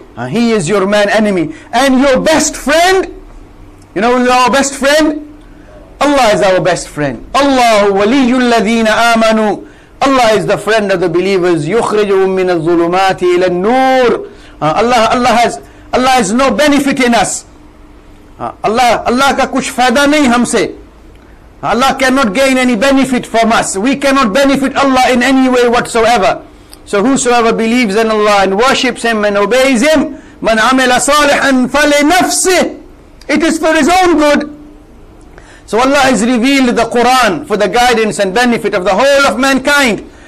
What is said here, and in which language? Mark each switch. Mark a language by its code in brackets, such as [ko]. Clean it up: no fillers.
[en] He is your main enemy. And your best friend, you know who is our best friend? Allah is our best friend. [ar] Allahu waliyyu alladhina amanu. [en] Allah is the friend of the believers. [ar] Yukhrijuhum min al-zulumati ila al-nur. [en] Allah has no benefit in us. [ur] اللہ کا کچھ فائدہ نہیں ہمسے۔ [en] Allah cannot gain any benefit from us. We cannot benefit Allah in any way whatsoever. So whosoever believes in Allah and worships Him and obeys Him, [ar] man amila salihan fali nafsi, [en] it is for his own good. So Allah has revealed the Quran for the guidance and benefit of the whole of mankind.